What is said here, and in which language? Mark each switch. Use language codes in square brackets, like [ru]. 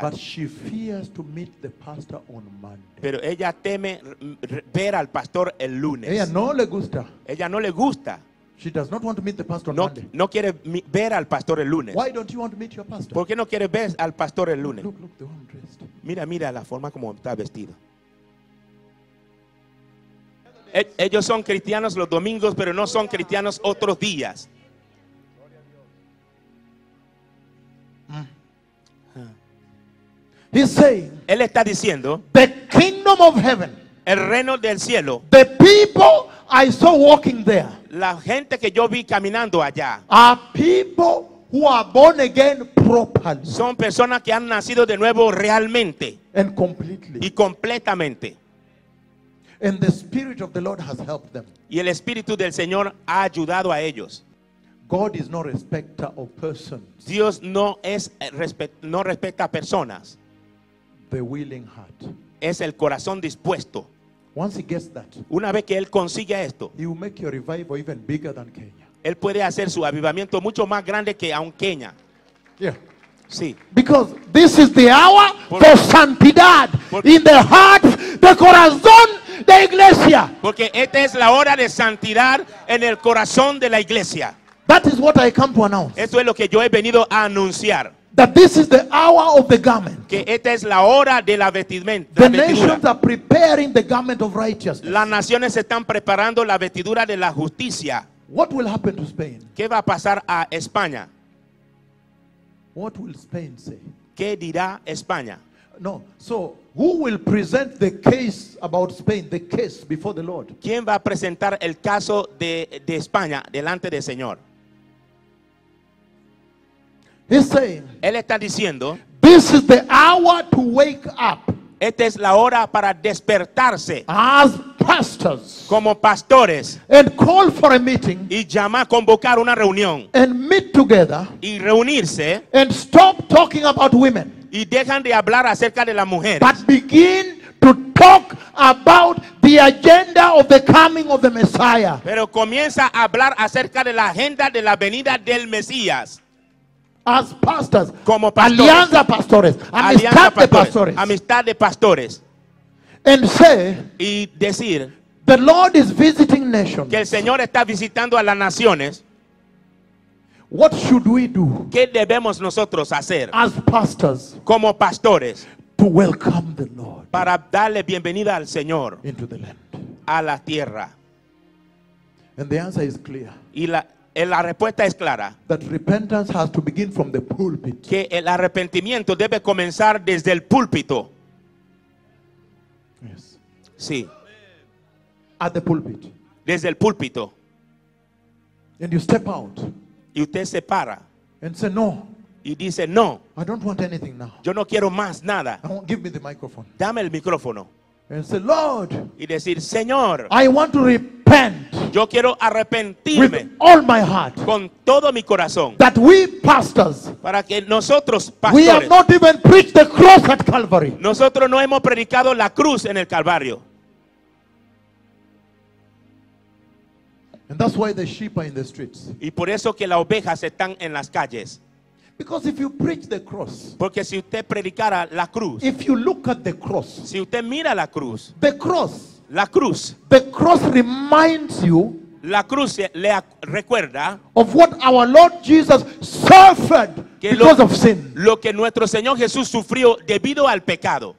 [en] But she fears to meet the pastor on Monday. [es] Pero ella teme ver al pastor el lunes. Ella no le gusta. Ella no le gusta. [en] She does not want to meet the pastor on Monday. [es] No quiere ver al pastor el lunes. [en] Why don't you want to meet your pastor? [es] ¿Por qué no quiere ver al pastor el lunes? [en] Look, the way I'm dressed. [es] Mira la forma como está vestido. Ellos son cristianos los domingos, pero no son cristianos otros días. [en] He's saying, [es] él está diciendo, [en] the kingdom of heaven, [es] el reino del cielo. [en] The people I saw walking there. [es] La gente que yo vi caminando allá. [en] Are people who are born again properly. [es] Son personas que han nacido de nuevo realmente. [en] And completely. [es] Y completamente. [en] And the Spirit of the Lord has helped them. [es] Y el Espíritu del Señor ha ayudado a ellos. [en] God is no respecter of persons. [es] Dios no es no respecta a personas. [en] The willing heart. [es] Es el corazón dispuesto. [en] Once he gets that, [es] una vez que él consigue esto, [en] he will make your revival even bigger than Kenya. [es] Él puede hacer su avivamiento mucho más grande que aun Kenya. [en] Yeah. [es] Sí. [en] Because this is the hour for santidad in the heart, the [es] corazón de iglesia. Porque esta es la hora de santidad en el corazón de la iglesia. [en] That is what I come to announce. [es] Esto es lo que yo he venido a anunciar. [en] That this is the hour of the garment. [es] Que esta es la hora de la vestimenta. [en] The nations are preparing the garment of righteousness. [es] Las naciones están preparando la vestidura de la justicia. [en] What will happen to Spain? [es] ¿Qué va a pasar a España? [en] What will Spain say? [es] ¿Qué dirá España? No. [en] So, who will present the case about Spain, the case before the Lord? [es] ¿Quién va a presentar el caso de España delante del Señor? [en] He's saying, [es] él está diciendo, [en] this is the hour to wake up. [es] Esta es la hora para despertarse. [en] As pastors. [es] Como pastores. [en] And call for a meeting. [es] Y llamar, convocar una reunión. [en] And meet together. [es] Y reunirse. [en] And stop talking about women. [es] Y dejan de hablar acerca de las mujeres. [en] But begin to talk about the agenda of the coming of the Messiah. [es] Pero comienza a hablar acerca de la agenda de la venida del Mesías. [en] As pastors, [es] como pastores, alianza pastores, amistad de pastores, amistad de pastores, [en] and say, [es] y decir, [en] the Lord is visiting nations. [es] Que el Señor está visitando a las naciones. [en] What should we do? [es] ¿Qué debemos nosotros hacer? [en] As pastors, [es] como pastores, [en] to welcome the Lord. [es] Para darle bienvenida al Señor. [en] Into the land. [es] A la tierra. [en] And the answer is clear. [es] Y la respuesta es clara. [en] That repentance has to begin from the pulpit. [es] Que el arrepentimiento debe comenzar desde el púlpito. [en] Yes. [es] Sí. [en] At the pulpit. [es] Desde el púlpito. [en] And you step out. [es] Y usted se para. [en] And say no. [es] Y dice no. [en] I don't want anything now. [es] Yo no quiero más nada. [en] I won't give me the microphone. [es] Dame el micrófono. [en] And say, Lord. [es] Y decir, Señor. [en] I want to repent. [es] Yo quiero arrepentirme. [en] With all my heart. [es] Con todo mi corazón. [en] That we pastors. [es] Para que nosotros pastores. [en] We have not even preached the cross at Calvary. [es] Nosotros no hemos predicado la cruz en el Calvario. [en] And that's why the sheep are in the streets. [es] Y por eso que las ovejas están en las calles. [en] Because if you preach the cross, [es] porque si usted predicara la cruz, [en] if you look at the cross, [es] si usted mira la cruz, [en] the cross, [es] la cruz, [en] the cross reminds you, [es] la cruz le recuerda, [en] of what our Lord Jesus suffered because of sin, [es] lo que nuestro Señor Jesús sufrió debido al pecado,